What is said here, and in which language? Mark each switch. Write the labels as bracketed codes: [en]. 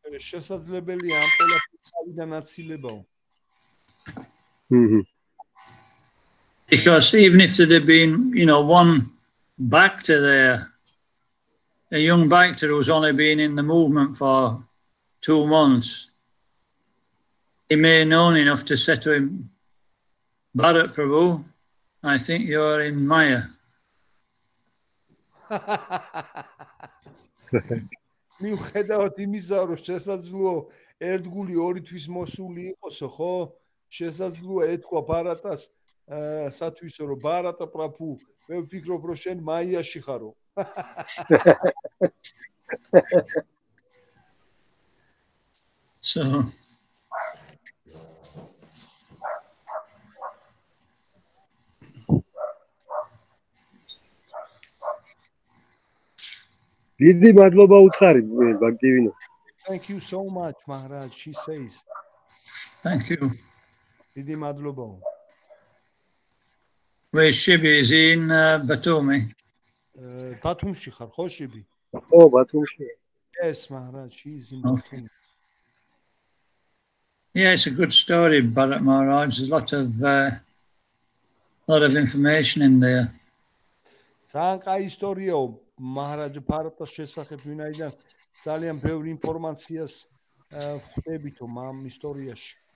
[ka] შესაძლებელი ამ ყოლაფიდან აცილებაო. [en] Because even if there'd been, you know, one bhakta there, a young bhakta who's only been in the movement for 2 months, he may have known enough to say to him, Bharat Prabhu, I think you're in Maya. [ka] მიუხედავად იმისა, რომ შესაძლოა ერთგული ორი თვის მოსული იყოს, ხო? შესაძლოა ეთქვა ბარატას სათვისო, რომ ბარატა პრაფუ, მე ვფიქრობ, რომ შენ მაიაში ხარო. [en] So. [ka] დიდი მადლობა უთხარი მე ბაქტივინო. [en] Thank you so much Maharaj she says. Thank you. [ka] დიდი მადლობა. [en] We Shibi is in Batumi. [ka] Batumში ხარ ხო Shibi? ო Batumში. [en] Yes Maharaj she is in Batumi. Okay. Yeah it's a good story Bharat Maharaj there's a lot of information in there. [ka] ძალიან კაი ისტორიაო. მაჰარაჯ ფარატას შესახებ ვინაიდან ძალიან ბევრი ინფორმაციას ხვდებითო ამ ისტორიაში.